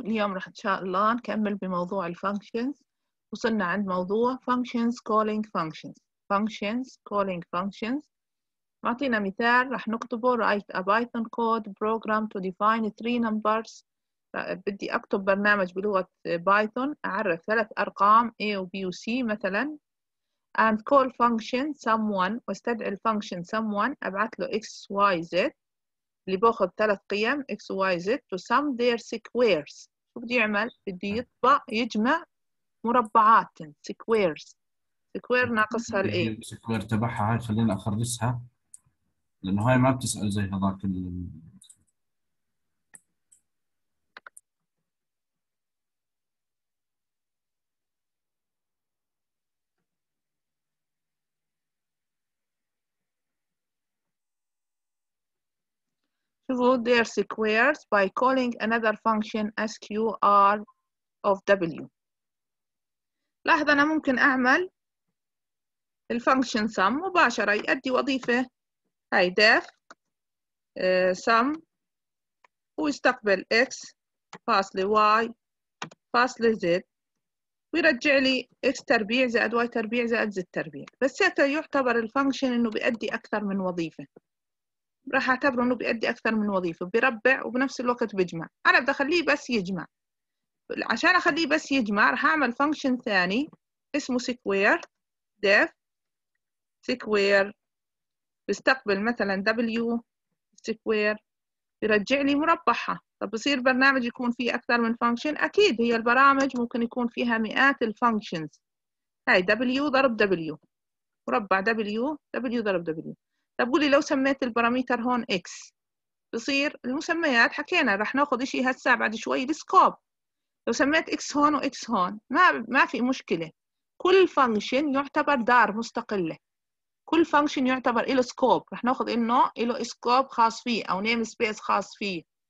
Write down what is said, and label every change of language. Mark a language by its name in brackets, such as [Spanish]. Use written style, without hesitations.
[Arabic] اليوم راح إن شاء الله نكمل بموضوع الفانكشنز. وصلنا عند موضوع فانكشنز كولينج فانكشنز. فانكشنز كولينج فانكشنز. معطينا مثال راح نكتبه. [English] Write a Python code program to define 3 numbers. [Arabic] بدي اكتب برنامج بلغة بايثون اعرف ثلاث ارقام A و B و C مثلا. [English] and call function someone [Arabic] واستدعي الفانكشن [English] someone [Arabic] ابعث له x y z اللي باخذ ثلاث قيم [English] x y z to sum their squares. [Arabic] شو بده يعمل؟ بده يطبق يجمع مربعات squares. square ناقصها ال a السكوير تبعها هاي خلينا اخرسها لانه هاي ما بتسال زي هذاك شوفوا [English] their squares by calling another function sqr of w. [Arabic] لاحظ انا ممكن اعمل الفانكشن sum مباشرة يؤدي وظيفة هاي def sum ويستقبل x فاصلة y فاصلة z ويرجع لي x تربيع زائد y تربيع زائد z تربيع. بس هيك يعتبر الفانكشن انه بيؤدي اكثر من وظيفة. راح اعتبره انه بيأدي اكثر من وظيفة، بيربع وبنفس الوقت بيجمع. انا بدي اخليه بس يجمع. عشان اخليه بس يجمع راح اعمل فانكشن ثاني اسمه سكوير ديف سكوير بيستقبل مثلا w سكوير بيرجع لي مربعها. طب بصير برنامج يكون فيه اكثر من فانكشن؟ اكيد هي البرامج ممكن يكون فيها مئات الفانكشنز. هاي w ضرب w مربع w w ضرب w. طب قولي لو سميت الباراميتر هون x بصير المسميات حكينا رح ناخذ شيء هسه بعد شوي السكوب. لو سميت x هون و x هون ما في مشكله. كل فانكشن يعتبر دار مستقله. كل فانكشن يعتبر له سكوب. رح ناخذ انه له سكوب خاص فيه او نيم سبيس خاص فيه.